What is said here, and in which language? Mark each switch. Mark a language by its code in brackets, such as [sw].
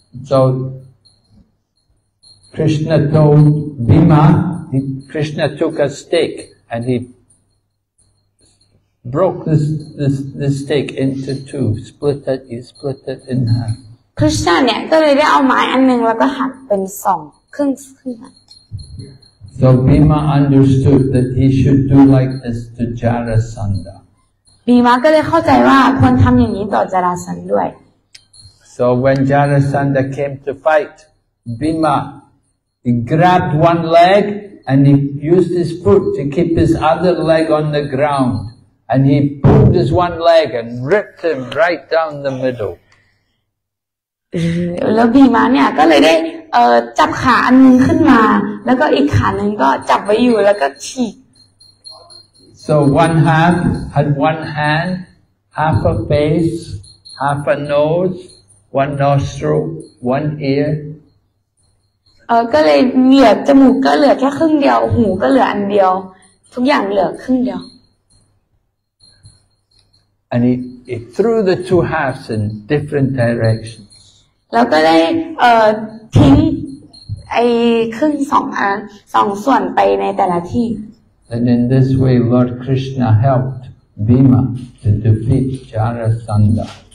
[en] So Krishna told Bhima, Krishna took a stick and he broke the stick into two, split it in half. [th] Krishna เนี่ยก็เลยได้เอาไม้อันหนึ่งแล้วก็หักเป็นสองครึ่ง [en] So Bhima understood that he should do like this to Jarasandha. [th] Bhima ก็เลยเข้าใจว่าควรทำอย่างนี้ต่อจาราสันด้วย [en] So when Jarasandha came to fight, Bhima he grabbed one leg and he used his foot to keep his other leg on the ground, and he pulled his one leg and ripped him right down the middle. [th] แล้วBhimaเนี่ยก็เลยได้จับขาอันนึงขึ้นมาแล้วก็อีกขาหนึ่งก็จับไว้อยู่แล้วก็ฉีก [en] So one half had one hand, half a face, half a nose, one nostril, one ear. [th] ก็เลยเหลือจมูกก็เหลือแค่ครึ่งเดียวหูก็เหลืออันเดียวทุกอย่างเหลือครึ่งเดียว [en] And he threw the two halves in different directions. [th] แล้วก็ได้ทิ้งไอ้ครึ่งสองอันสองส่วนไปในแต่ละที่ [en] And in this way Lord Krishna helped Bhima to defeat Jarasandha